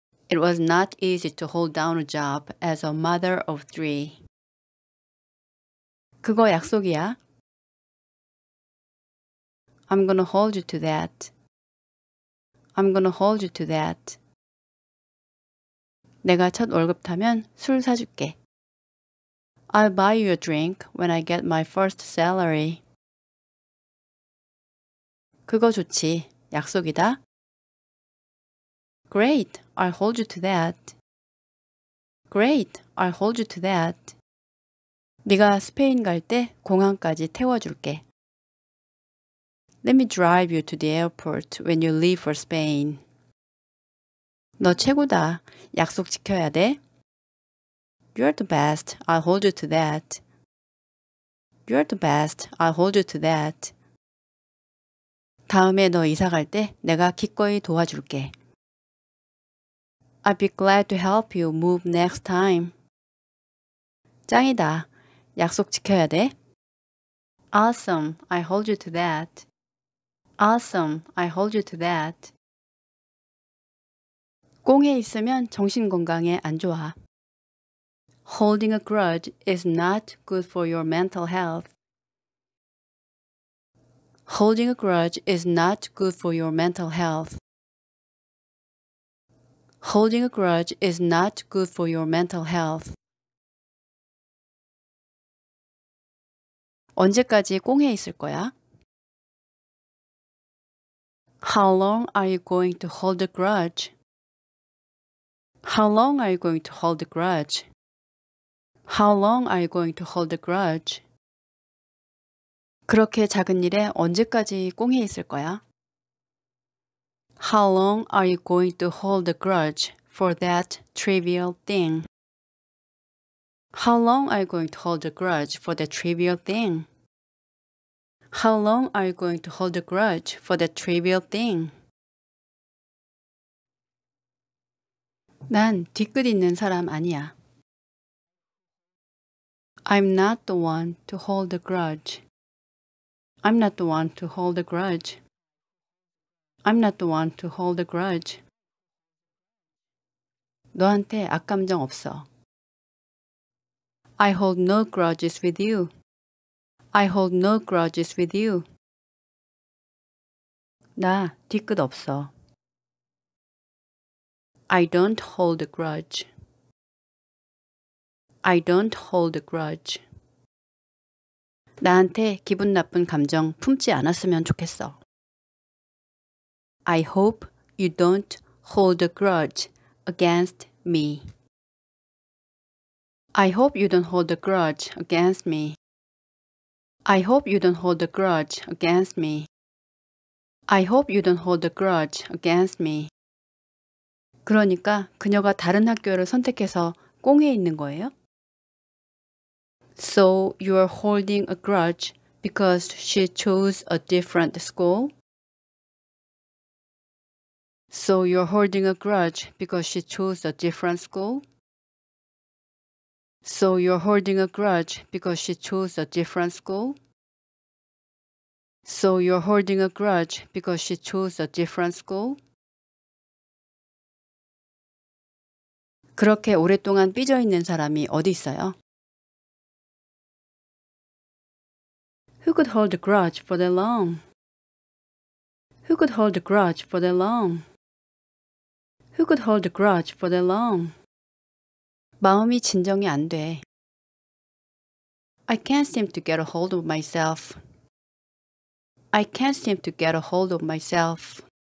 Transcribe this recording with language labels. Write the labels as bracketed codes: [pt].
[en] It was not easy to hold down a job as a mother of three. [ko] 그거 약속이야. [en] I'm gonna hold you to that. I'm gonna hold you to that. [ko] 내가 첫 월급 타면 술 사줄게. [en] I'll buy you a drink when I get my first salary. [ko] 그거 좋지. 약속이다. [en] Great. I'll hold you to that. Great. I'll hold you to that. [ko] 네가 스페인 갈 때 공항까지 태워줄게. [en] Let me drive you to the airport when you leave for Spain. [ko] 너 최고다. 약속 지켜야 돼. [en] You're the best. I'll hold you to that. You're the best. I'll hold you to that. [ko] 다음에 너 이사 갈 때 내가 기꺼이 도와줄게. [en] I'd be glad to help you move next time. [ko] 짱이다. 약속 지켜야 돼. [en] Awesome. I hold you to that. Awesome. I hold you to that. [ko] 꽁에 있으면 정신 건강에 안 좋아. [en] Holding a grudge is not good for your mental health. Holding a grudge is not good for your mental health. Holding a grudge is not good for your mental health. [ko] 언제까지 꽁에 있을 거야? [en] How long are you going to hold a grudge? How long are you going to hold a grudge? How long are you going to hold a grudge? [ko] 그렇게 작은 일에 언제까지 꽁해 있을 거야? [en] How long are you going to hold a grudge for that trivial thing? How long are you going to hold a grudge for that trivial thing? How long are you going to hold a grudge for that trivial thing? [ko] 난 뒤끝 있는 사람 아니야. [en] I'm not the one to hold a grudge. I'm not the one to hold a grudge. I'm not the one to hold a grudge. [ko] 너한테 악감정 없어. [en] I hold no grudges with you. I hold no grudges with you. [ko] 나 뒤끝 없어. [en] I don't hold a grudge. I don't hold a grudge. [ko] 나한테 기분 나쁜 감정 품지 않았으면 좋겠어. [en] I hope you don't hold a grudge against me. I hope you don't hold a grudge against me. I hope you don't hold a grudge against me. I hope you don't hold a grudge against me. [ko] 그러니까 그녀가 다른 학교를 선택해서 꽁에 있는 거예요? [en] So you're holding a grudge because she chose a different school? So you're holding a grudge because she chose a different school? So you're holding a grudge because she chose a different school? So you're holding a grudge because she chose a different school? [ko] 그렇게 오랫동안 삐져 있는 사람이 어디 있어요? [en] Who could hold a grudge for that long? Who could hold a grudge for that long? Who could hold a grudge for that long? [ko] 마음이 진정이 안 돼. [en] I can't seem to get a hold of myself. I can't seem to get a hold of myself.